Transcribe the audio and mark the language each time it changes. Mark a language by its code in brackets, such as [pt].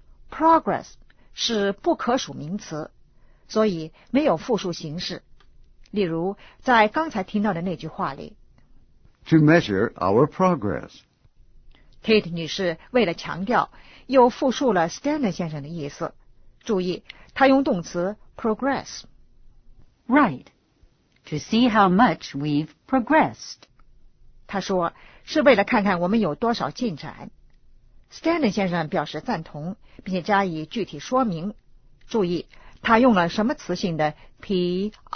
[zh] progress 是不可数名词，所以没有复数形式。例如在刚才听到的那句话里， [en] To measure our progress. [zh] Kate 女士为了强调又复述了 Stanton 先生的意思。注意她用动词 progress. [en] Right. To see how much we've progressed. [zh] 她说是为了看看我们有多少进展。Stanton 先生表示赞同并且加以具体说明。注意她用了什么词性的 P-R-O-G-R-E-S-S。